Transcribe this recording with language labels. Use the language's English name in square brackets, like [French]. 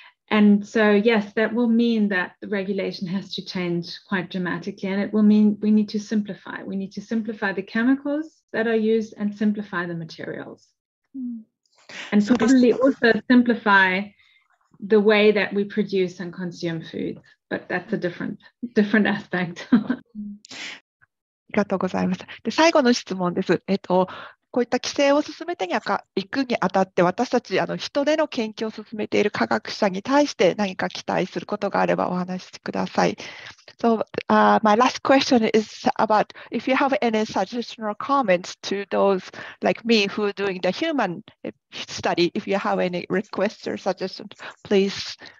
[English] And so, yes, that will mean that the regulation has to change quite dramatically. And it will mean we need to simplify. We need to simplify the chemicals that are used and simplify the materials. And probably also simplify... the way that we produce and consume food, but that's a different aspect. [Japanese] ありがとうございます。で、最後の質問です。こういった規制を進めていくにあたって、私たち人での研究を進めている科学者に対して何か期待することがあればお話しください。 [English] So, my last question is about if you have any suggestions or comments to those like me who are doing the human study, if you have any requests or suggestions, please.